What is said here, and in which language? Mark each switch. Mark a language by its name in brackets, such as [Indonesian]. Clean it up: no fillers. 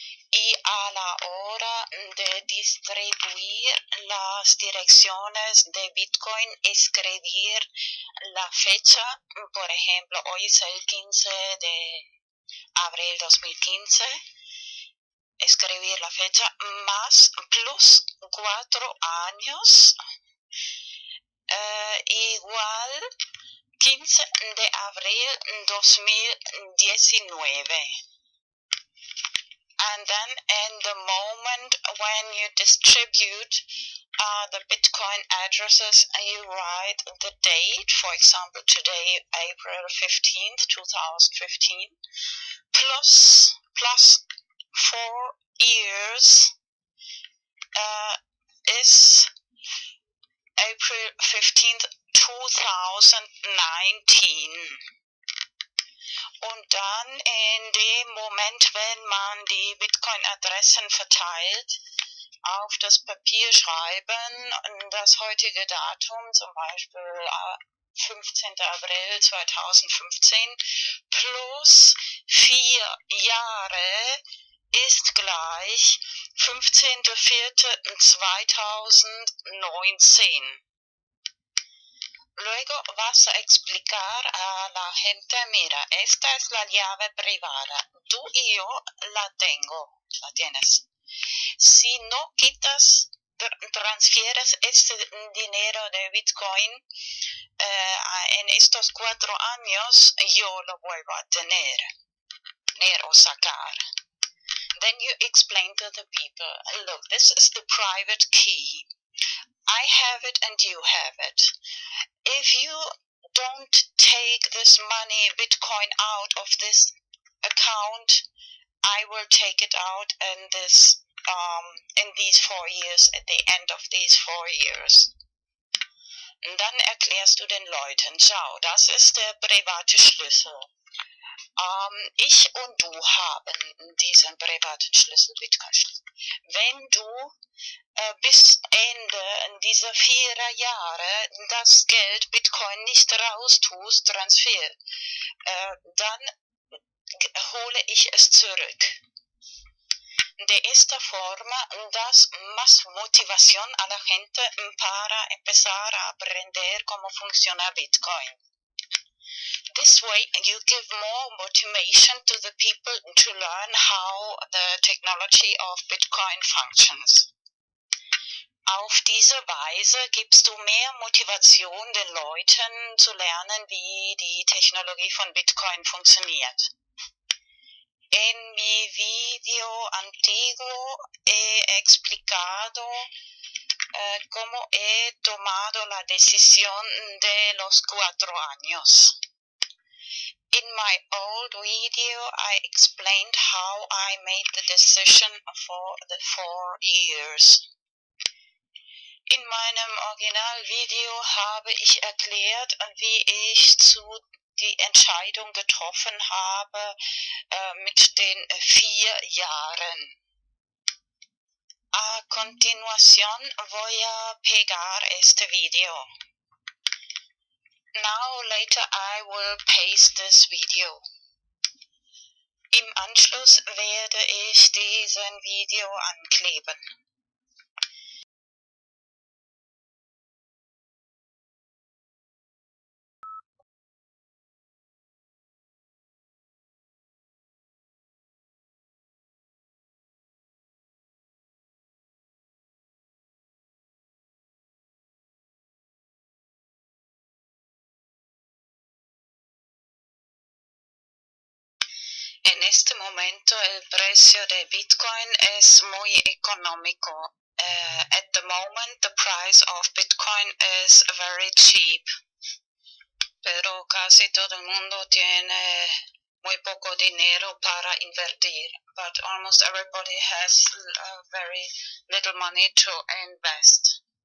[Spanish] Y a la hora de distribuir las direcciones de Bitcoin, escribir la fecha, por ejemplo, hoy es el 15 de abril 2015, escribir la fecha más plus 4 años, igual 15 de abril 2019. [English] And then in the moment when you distribute the Bitcoin addresses, you write the date, for example, today, April 15th, 2015, plus 4 years is April 15th, 2019. [German] Und dann in dem Moment, wenn man die Bitcoin-Adressen verteilt, auf das Papier schreiben, das heutige Datum, zum Beispiel 15. April 2015, plus 4 Jahre ist gleich 15.04.2019. [Spanish] Luego vas a explicar a la gente, mira, esta es la llave privada. Tú y yo la tengo, la tienes. Si no quitas, transfieres ese dinero de Bitcoin en estos 4 años, yo lo vuelvo a tener o sacar. [English] Then you explain to the people, look, this is the private key. I have it and you have it. If you don't take this money, Bitcoin, out of this account, I will take it out in this in these 4 years, at the end of these 4 years. [German] dann erklärst du den Leuten, schau, das ist der private Schlüssel. Ich und du haben diesen privaten Schlüssel Bitcoin. Wenn du bis Ende dieser 4 Jahre das Geld Bitcoin nicht raustust, Transfer, dann hole ich es zurück. [Spanish] De esta forma das más motivación a la gente para empezar a aprender cómo funciona Bitcoin. [English] This way you give more motivation to the people to learn how the technology of Bitcoin functions. [German] Auf diese Weise gibst du mehr Motivation den Leuten zu lernen, wie die Technologie von Bitcoin funktioniert. [Spanish] En mi video antiguo he explicado cómo he tomado la decisión de los 4 años. [English] In my old video, I explained how I made the decision for the 4 years. [German] In meinem Originalvideo habe ich erklärt, wie ich zu die Entscheidung getroffen habe mit den 4 Jahren. [Spanish] A continuación voy a pegar este video. [English] Now later I will paste this video. [German] Im Anschluss werde ich diesen Video ankleben. [Spanish] En este momento el precio de Bitcoin es muy económico. [English] At the moment the price of Bitcoin is very cheap. [Spanish] Pero casi todo el mundo tiene muy poco dinero para invertir. [English] But almost everybody has very little money to invest.